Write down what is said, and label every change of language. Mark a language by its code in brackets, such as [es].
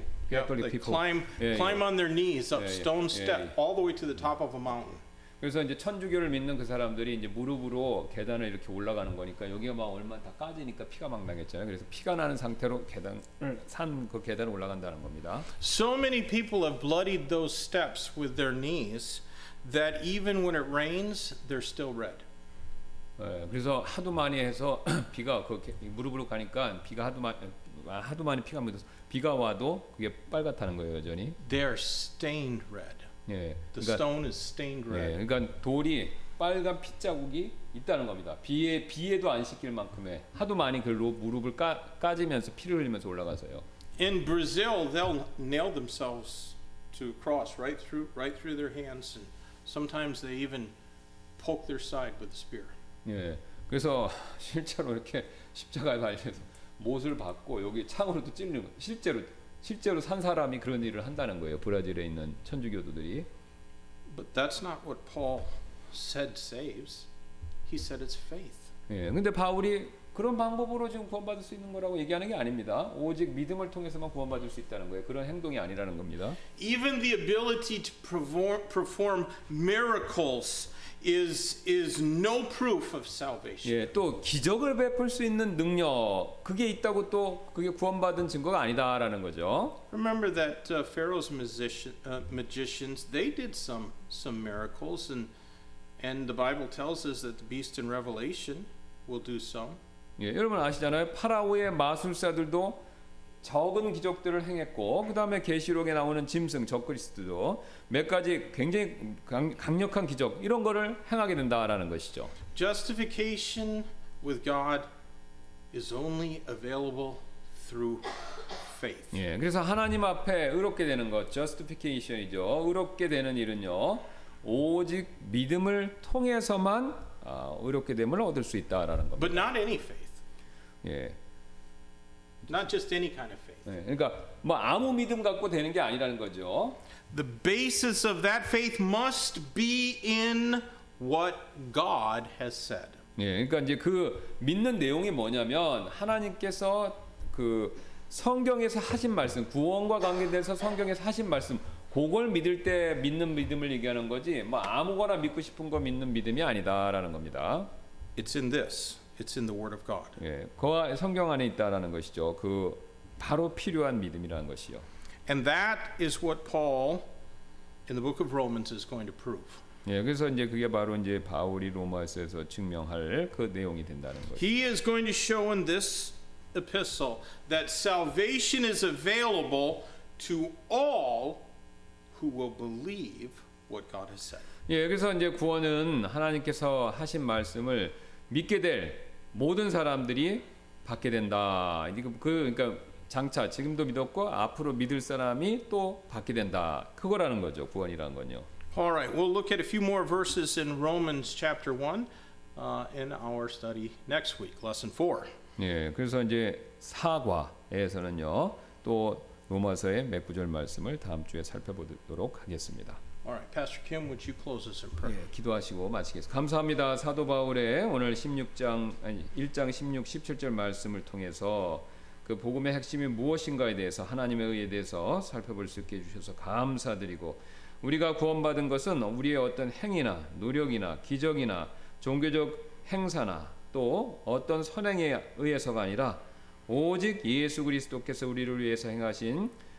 [en] Catholic people climb on their knees up stone step all the way to the top of a mountain. [ko] 그래서 이제 천주교를 믿는 그 사람들이 이제 무릎으로 계단을 이렇게 올라가는 거니까 여기가 막 얼마 다 까지니까 피가 막 나겠잖아요. 그래서 피가 나는 상태로 계단을 산 그 계단을 올라간다는 겁니다. [en] So many people have bloodied those steps with their knees that even when it rains they're still red. [ko] 그래서 하도 많이 해서 비가 그 무릎으로 가니까 비가 하도 많이 피가 묻어서 비가 와도 그게 빨갛다는 거예요 여전히. [en] They are stained red. [ko] 예, [en] the [ko] 그러니까, [en] stone is stained red. [ko] 예, 그러니까 돌이 빨간 핏자국이 있다는 겁니다. 비에도 안 씻길 만큼의 하도 많이 그로 무릎을 까지면서 피를 흘리면서 올라가서요. [en] In Brazil, they'll nail themselves to a cross right through their hands, and sometimes they even poke their side with a spear. [ko] 예, 그래서 실제로 이렇게 십자가에 달려서 못을 박고 여기 창으로도 찔리는 거예요. 실제로 산 사람이 그런 일을 한다는 거예요. 브라질에 있는 천주교도들이. [en] But that's not what Paul said saves. He said it's faith. [ko] 예, 근데 바울이 그런 방법으로 지금 구원받을 수 있는 거라고 얘기하는 게 아닙니다. 오직 믿음을 통해서만 구원받을 수 있다는 거예요. 그런 행동이 아니라는 겁니다. [en] Even the ability to perform miracles is no proof of salvation. [ko] 예, 또 기적을 베풀 수 있는 능력 그게 있다고 또 그게 구원받은 증거가 아니다라는 거죠. [en] Remember that Pharaoh's magicians they did some miracles and the Bible tells us that the beast in Revelation will do some. [ko] 예, 여러분 아시잖아요. 파라오의 마술사들도 적은 기적들을 행했고 그 다음에 계시록에 나오는 짐승 적그리스도도 몇 가지 굉장히 강력한 기적 이런 거를 행하게 된다라는 것이죠. [en] Justification with God is only available through faith. [ko] 예, 그래서 하나님 앞에 의롭게 되는 것, justification이죠. 의롭게 되는 일은요 오직 믿음을 통해서만 의롭게 됨을 얻을 수 있다라는 겁니다. [en] But not any faith. [ko] 예. [en] Not just any kind of faith. [ko] 네, 그러니까 뭐 아무 믿음 갖고 되는 게 아니라는 거죠. [en] The basis of that faith must be in what God has said. [ko] 예, 네, 그러니까 이제 그 믿는 내용이 뭐냐면 하나님께서 그 성경에서 하신 말씀, 구원과 관계돼서 성경에서 하신 말씀, 그걸 믿을 때 믿는 믿음을 얘기하는 거지. 뭐 아무거나 믿고 싶은 거 믿는 믿음이 아니다라는 겁니다. [en] It's in this. It's in the Word of God. [ko] 예, 그와 성경 안에 있다라는 것이죠. 그 바로 필요한 믿음이라는 것이요. [en] And that is what Paul in the book of Romans is going to prove. [ko] 예, 그래서 이제 그게 바로 이제 바울이 로마서에서 증명할 그 내용이 된다는 거죠. [en] He is going to show in this epistle that salvation is available to all who will believe what God has said. [ko] 예, 그래서 이제 구원은 하나님께서 하신 말씀을 믿게 될 모든 사람들이 받게 된다. 그 그러니까 장차 지금도 믿었고 앞으로 믿을 사람이 또 받게 된다. 그거라는 거죠. 구원이라는 건요. [en] All right. We'll look at a few more verses in Romans chapter 1 in our study next week, lesson 4. [ko] 예. 그래서 이제 사과에서는요. 또 로마서의 몇 구절 말씀을 다음 주에 살펴보도록 하겠습니다. [en] All right, Pastor Kim, would you close us in prayer? [ko] 예, 기도하시고 마치겠습니다. 감사합니다. 사도 바울의 오늘 1장 16, 17절 말씀을 통해서 그 복음의 핵심이 무엇인가에 대해서 하나님의 의에 대해서 살펴볼 수 있게 해주셔서 감사드리고 우리가 구원받은 것은 우리의 어떤 행위나 노력이나 기적이나 종교적 행사나 또 어떤 선행에 의해서가 아니라 오직 예수 그리스도께서 우리를 위해서 행하신